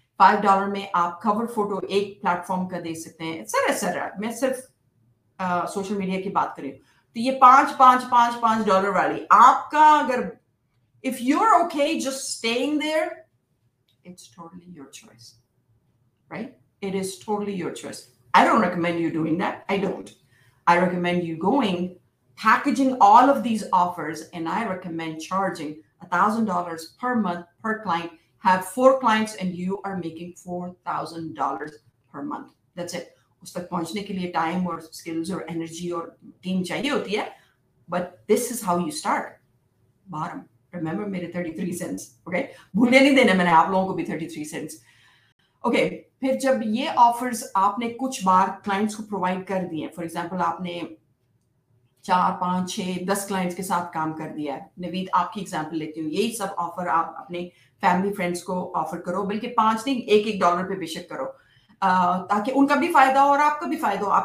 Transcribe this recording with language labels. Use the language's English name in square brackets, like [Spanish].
[Hindi] $5 में आप cover photo एक प्लेटफॉर्म का दे सकते हैं, एटसेट्रा एटसेट्रा. मैं सिर्फ सोशल मीडिया की बात कर रही हूँ. तो ये पांच पांच पांच पांच डॉलर वाली आपका, अगर [English] If you are okay just staying there, it's totally your choice, right? It is totally your choice. I don't recommend you doing that. I don't. I recommend you going, packaging all of these offers, and I recommend charging $1,000 per month per client. Have 4 clients, and you are making $4,000 per month. That's it. [Hindi] उस तक पहुंचने के लिए time और skills और energy और team चाहिए होती है, [English] But this is how you start. [Hindi] Bottom, remember मेरे 33 सेंट्स. ओके, भूलने नहीं देने मैंने आप लोगों को भी 33 सेंट्स. ओके, फिर जब ये ऑफर्स आपने कुछ बार क्लाइंट्स को प्रोवाइड कर दिए, फॉर एग्जांपल आपने 4, 5, 6, 10 क्लाइंट्स के साथ काम कर दिया है, नवीद आपकी एग्जांपल लेती हूँ, यही सब ऑफर आप अपने फैमिली फ्रेंड्स को ऑफर करो, बल्कि 5 नहीं, 1-1 डॉलर पे बेशक करो, ताकि उनका भी फायदा हो और आपका भी फायदा हो.